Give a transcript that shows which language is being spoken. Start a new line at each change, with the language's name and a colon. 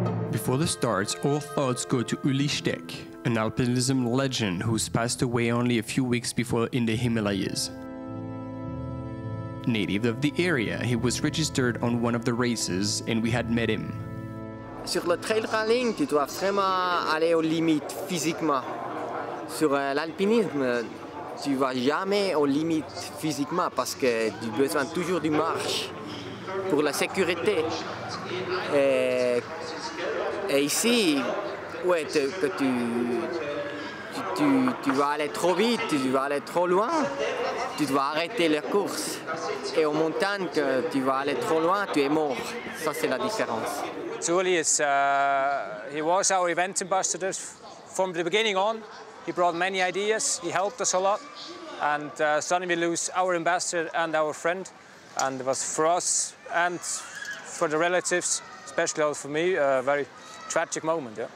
English: Before the start, all thoughts go to Uli Steck, an alpinism legend who's passed away only a few weeks before in the Himalayas. Native of the area, he was registered on one of the races and we had met him.
French: Sur le trail running, tu dois vraiment aller aux limites physiquement. Sur l'alpinisme, tu vas jamais aux limites physiquement parce que tu as besoin toujours d'une marche pour la sécurité. Et ici, ouais, tu vas aller trop vite, tu vas aller trop loin, tu dois arrêter la course. Et aux montagnes, que tu vas aller trop loin, tu es mort. Ça, c'est la différence.
English: Uli is, he was our event ambassador from the beginning on. He brought many ideas, he helped us a lot. And suddenly we lose our ambassador and our friend. And it was for us and for the relatives, especially also for me, very tragic moment, yeah.